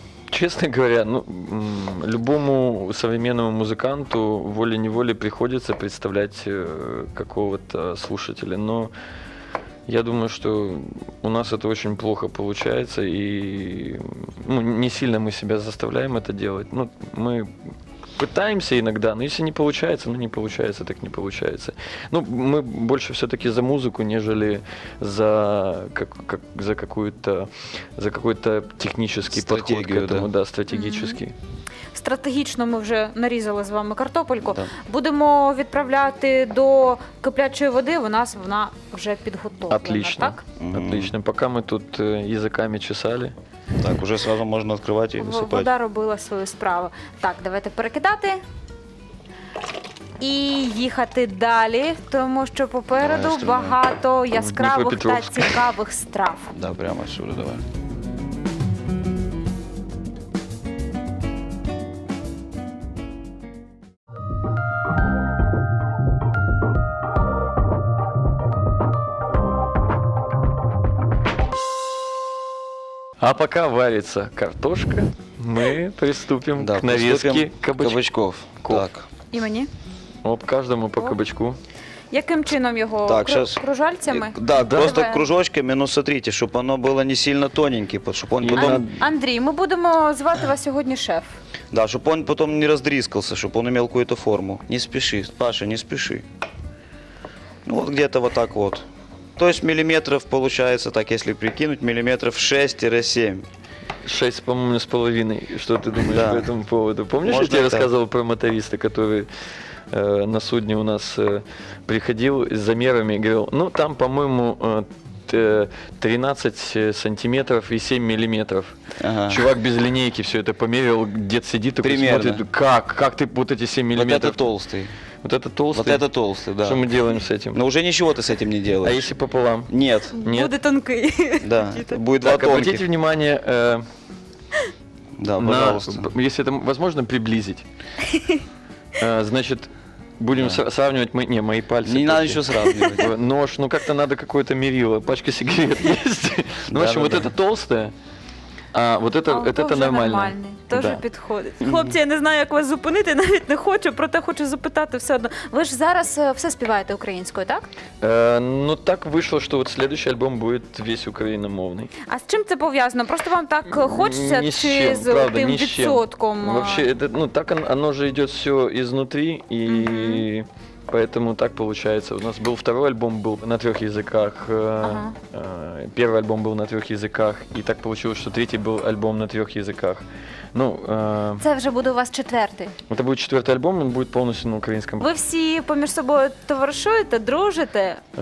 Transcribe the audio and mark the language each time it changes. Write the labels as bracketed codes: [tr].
[ru] Честно говоря, ну, любому современному музыканту волей-неволей приходится представлять какого-то слушателя, но я думаю, что у нас это очень плохо получается, и, ну, не сильно мы себя заставляем это делать. Ну, мы пытаемся иногда, но если не получается, ну не получается, так не получается. Ну, мы больше все-таки за музыку, нежели за, как, за, какую-то, за какой-то технический стратегию, подход к этому, да, да, стратегический. Mm-hmm. [uk] Стратегічно ми вже нарізали з вами картопельку. Да. Будемо відправляти до киплячої води, у нас вона вже підготовлена. [ru] Отлично. Так? Mm-hmm. Отлично. [uk] Поки ми тут язиками чесали. Так, [ru] уже сразу [uk] можна відкривати і висипати. Вода робила свою справу. Так, давайте перекидати. І їхати далі, тому що попереду давай, багато яскравих та цікавих страв. Да, прямо сюди, давай. [ru] А пока варится картошка, мы приступим, да, к нарезке кабачков. Так. И мне? Оп, каждому по кабачку. [uk] Яким чином його? Так, кружальцями? [ru] Да, да, просто кружочками, но смотрите, чтобы оно было не сильно тоненьке. Потом... [uk] Андрій, ми будемо звати вас сьогодні шеф. Да, щоб він потім не роздрізкався, щоб він [ru] имел какую-то форму. Не спеши, Паша, не спеши. Ну вот где-то вот так вот. То есть миллиметров получается, так если прикинуть, миллиметров 6-7. 6, по-моему, с половиной. Что ты думаешь, да, по этому поводу? Помнишь, можно я тебе рассказывал про моториста, который на судне у нас приходил с замерами и говорил, ну там, по-моему, 13 сантиметров и 7 миллиметров. Ага. Чувак без линейки все это померил, дед сидит и смотрит, как ты вот эти 7 миллиметров. Вот это толстый. Вот это толстый? Вот это толстый, да. Что мы делаем с этим? Ну, уже ничего ты с этим не делаешь. А если пополам? Нет. Нет. Будет тонкий. Да, будет два тонких. Обратите внимание, да, пожалуйста, если это возможно, приблизить. Значит, будем сравнивать мои пальцы. Не надо еще сравнивать. Нож, ну как-то надо какое-то мерило. Пачка сигарет есть. Ну, в общем, вот это толстое. А вот это, а это нормально. [uk] Нормальний. Тоже да. Підходить. Хлопці, я не знаю, як вас зупинити, навіть не хочу, проте хочу запитати все одно. Ви ж зараз все співаєте українською, так? Ну так вийшло, що [ru] от следующий [uk] альбом буде весь україномовний. А з чим це пов'язано? Просто вам так хочеться ні чи з чим, правда, тим ні відсотком? [ru] Вообще, это, ну так оно же [uk] йде все [ru] изнутри і поэтому так получается. У нас был второй альбом, был на трех языках. Ага. Первый альбом был на трех языках. И так получилось, что третий был альбом на трех языках. Ну, [uk] це вже буде у вас четвертий. Це буде четвертий альбом, він буде повністю на українському. Ви всі поміж собою товаришуєте, дружите?